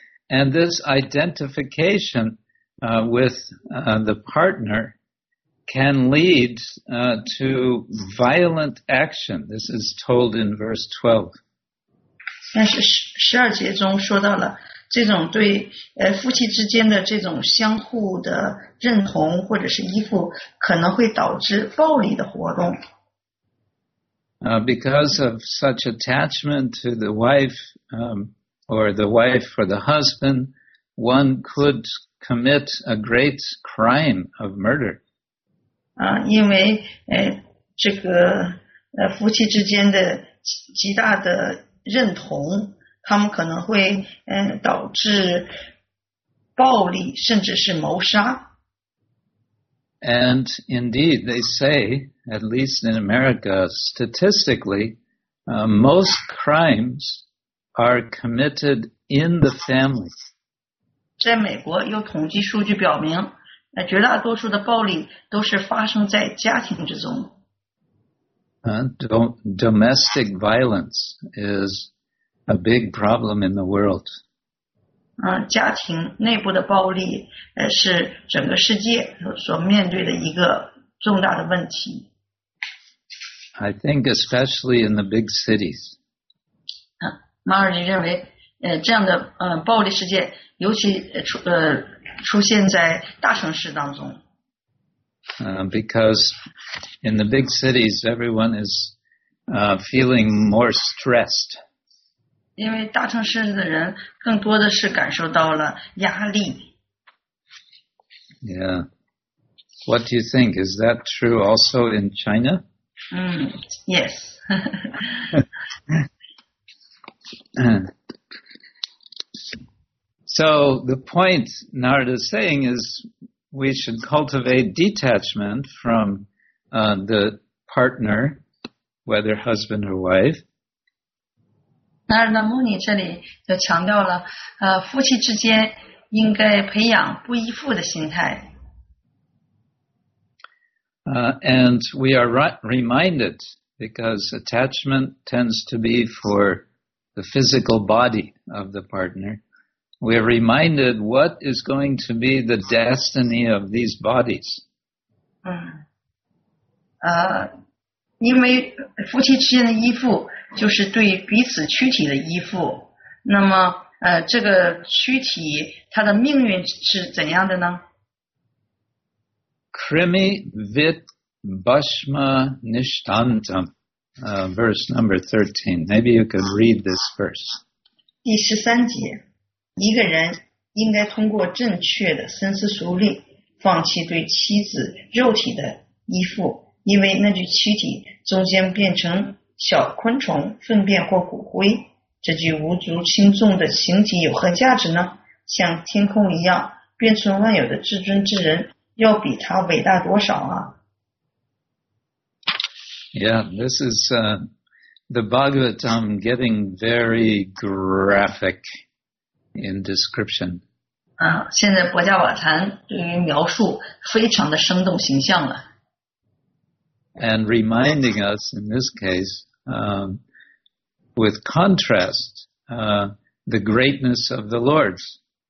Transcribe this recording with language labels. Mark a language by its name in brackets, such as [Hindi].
[English] And this identification with the partner. Can lead to violent action. This is told in verse 12. [Chinese] 但是十二节中说到了这种对夫妻之间的这种相互的认同或者是依附可能会导致暴力的活动。 [English] Because of such attachment to the wife, or the wife for the husband, one could commit a great crime of murder. [Chinese] 因为这个夫妻之间的极大的认同他们可能会导致暴力甚至是谋杀。 [English] And indeed, they say, at least in America, statistically, most crimes are committed in the family. [Chinese] 在美国有统计数据表明，绝大多数的暴力都是发生在家庭之中。 [English] Domestic violence is a big problem in the world. [Chinese] 家庭内部的暴力是整个世界所面对的一个重大的问题。 [English] I think especially in the big cities. [Chinese] 马尔尼认为这样的暴力事件尤其出现在大城市当中。 [English] Because in the big cities, everyone is feeling more stressed. [Chinese] 因为大城市的人更多的是感受到了压力。 [English] Yeah. What do you think? Is that true also in China? Yes. So the point Narada is saying is we should cultivate detachment from the partner, whether husband or wife. [Chinese] Narada Muni 这里就强调了，夫妻之间应该培养不依附的心态。 [English] And we are reminded because attachment tends to be for the physical body of the partner. We are reminded what is going to be the destiny of these bodies. [Chinese] 因为夫妻之间的依附就是对彼此躯体的依附。那么这个躯体它的命运是怎样的呢？ [Sanskrit] Krimi vit bhasma nishtantam, [English] verse number 13. Maybe you could read this verse. [Chinese] 第十三节。一个人应该通过正确的深思熟虑放弃对妻子肉体的依附，因为那具躯体终将变成小昆虫、粪便或骨灰。这具无足轻重的形体有何价值呢？像天空一样变成万有的至尊之人要比他伟大多少啊。 [English] Yeah, this is the Bhagavatam getting very graphicin description. [Chinese] 现在博伽瓦坛对于描述非常的生动形象了。 [English] And reminding us in this case, with contrast, the greatness of the Lord's.